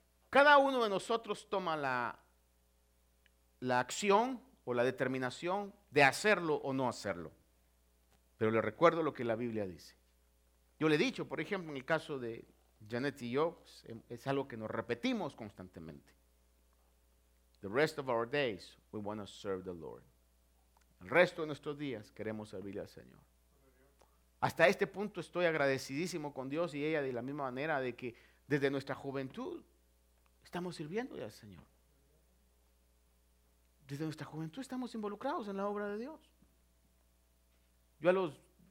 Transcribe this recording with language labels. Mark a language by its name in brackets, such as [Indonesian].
[Spanish] Cada uno de nosotros toma la acción o la determinación de hacerlo o no hacerlo. Pero le recuerdo lo que la Biblia dice. Yo le he dicho, por ejemplo, en el caso de Janet y yo, es algo que nos repetimos constantemente. [English] The rest of our days, we want to serve the Lord. [Spanish] El resto de nuestros días queremos servirle al Señor. Hasta este punto estoy agradecidísimo con Dios y ella de la misma manera de que desde nuestra juventud estamos sirviendo al Señor. Desde nuestra juventud estamos involucrados en la obra de Dios. Yo a los